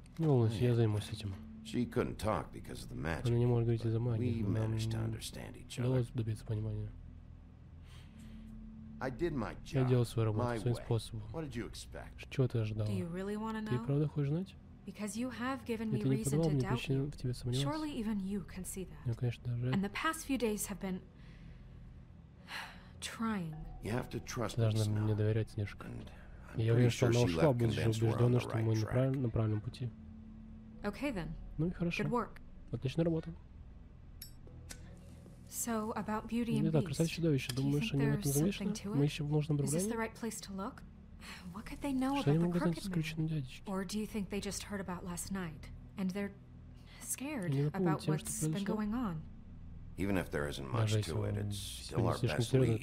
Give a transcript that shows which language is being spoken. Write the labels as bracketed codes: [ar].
[ru] Не волнуйся, я займусь этим. [en] She couldn't talk because of the magic. [ru] Она не может говорить из-за магии. [en] We managed to understand each other. [ru] Удалось добиться понимания. [en] I did my job. [ru] Я делал свою работу своим способом. [en] What did you expect? [ru] Что ты ожидал? [en] Do you really want to know? [ru] Ты правда хочешь знать? [en] Because you have given me reason to doubt you. Surely even you can see that. And the past few days have been trying. You have to trust me. [ru] Должна мне доверять, Снежка. Я уверен, что она ушла, будучи убежденной, что мы на правильном пути. [en] Okay then. [ru] Ну и хорошо. [en] Good work. [ru] Отличная работа. [en] So about Beauty and Beast. [ru] Не так, чудовище. Думаешь, они в этом замешаны? Мы еще в нужном направлении. [en] Is this the right place to look? What could they know about the crooked man? Or do you think they just heard about last night and they're scared about what's been going on? Even if there isn't much to it, it's still our best lead.